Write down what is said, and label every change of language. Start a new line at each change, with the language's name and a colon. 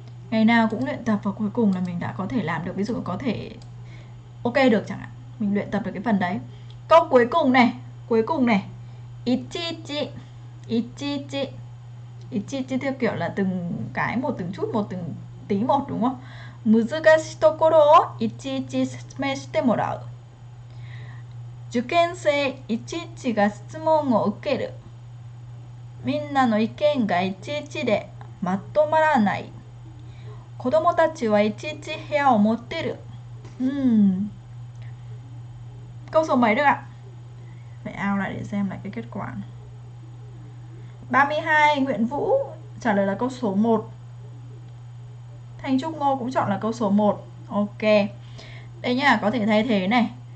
Vietnamese: Ngày nào cũng luyện tập và cuối cùng là mình đã có thể làm được, ví dụ có thể ok được chẳng hạn. Mình luyện tập được cái phần đấy. Câu cuối cùng này, cuối cùng này. Ichiichi. Ichiichi. Ichiichi theo kiểu là từng cái một, từng chút một, từng tí một đúng không?
Japanese: Muzugashi tokoro wo ichiichi sasume shite morau. 受験生いちいちが質問を受ける。みんなの意見がいちいちでまとまらない。子どもたちはいちいち部屋を持ってる。うん。
Vietnamese: câu số mấy được ạ? Vậy ao lại để xem lại cái kết quả. 32, Nguyễn Vũ trả lời là câu số 1. Thành Trung Ngô cũng chọn là câu số 1. Ok. Đây nha, có thể thay thế này.